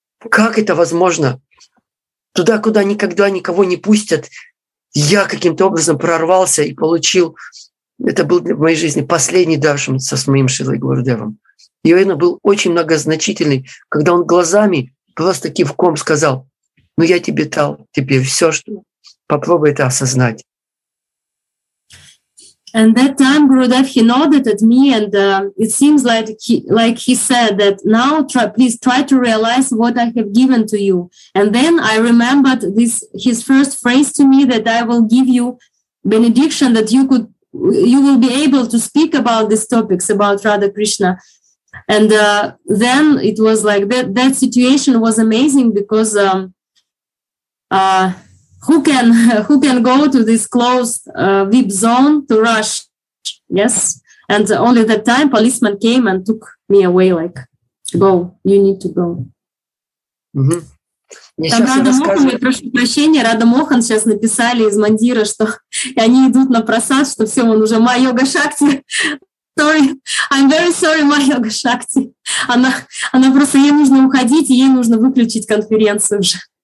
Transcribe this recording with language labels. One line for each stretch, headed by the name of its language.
Russian: Как это возможно? Туда, куда никогда никого не пустят, я каким-то образом прорвался и получил, это был в моей жизни последний даршан со своим Шрилой Гурудевом. И он был очень многозначительный, когда он глазами просто кивком сказал, ну я тебе дал теперь все, что попробуй это осознать.
English: And that time Gurudev, he nodded at me, and it seems like he said that now please try to realize what I have given to you. And then I remembered this his first phrase to me that I will give you benediction that you will be able to speak about these topics about Radha Krishna. And then it was like that situation was amazing because who can go to this closed VIP zone to rush? Yes, and only that time policeman came and took me away. Like, go, you need to go.
Russian: Там Рада Мохан, я прошу прощения, Рада Мохан сейчас написали из Мандира, что они идут на просад, что все, он уже Майога Шакти.
English: Sorry, I'm very sorry, Майога Шакти.
Russian: Она просто ей нужно уходить, ей нужно выключить конференцию уже.